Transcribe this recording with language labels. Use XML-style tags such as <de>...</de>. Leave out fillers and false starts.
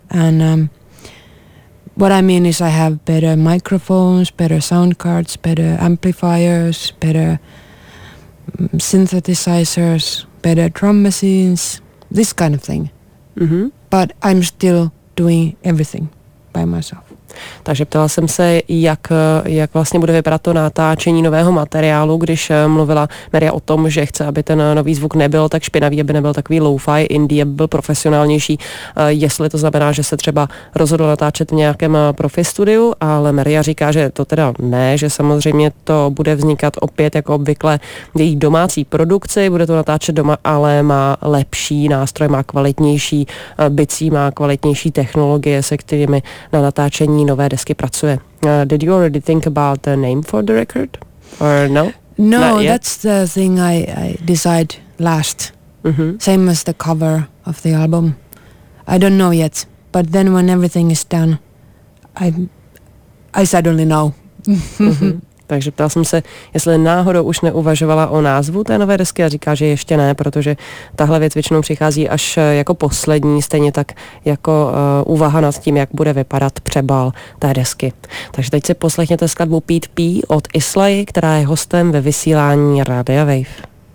<en>And what I mean is I have better microphones, better sound cards, better amplifiers, better synthesizers, better drum machines, this kind of thing. But I'm still doing everything by myself.</en> <cs>Takže ptala jsem se, jak vlastně bude vypadat to natáčení nového materiálu, když mluvila Maria o tom, že chce, aby ten nový zvuk nebyl tak špinavý, aby nebyl takový low-fi, indie, aby byl profesionálnější, jestli to znamená, že se třeba rozhodla natáčet v nějakém profi studiu, ale Maria říká, že to teda ne, že samozřejmě to bude vznikat opět jako obvykle v její domácí produkci, bude to natáčet doma, ale má lepší nástroj, má kvalitnější bicí, má kvalitnější technologie, se kterými na natáčení nové desky pracuje.</cs> <en>Did you already think about the name for the record? Or no? No, that's the thing I decide last. Same as the cover of the album. I don't know yet, but then when everything is done, I suddenly know.</en> <cs>Takže ptal jsem se, jestli náhodou už neuvažovala o názvu té nové desky a říká, že ještě ne, protože tahle věc většinou přichází až jako poslední, stejně tak jako úvaha nad tím, jak bude vypadat přebal té desky. Takže teď si poslechněte skladbu Pete P od Islay, která je hostem ve vysílání Radia Wave.</cs>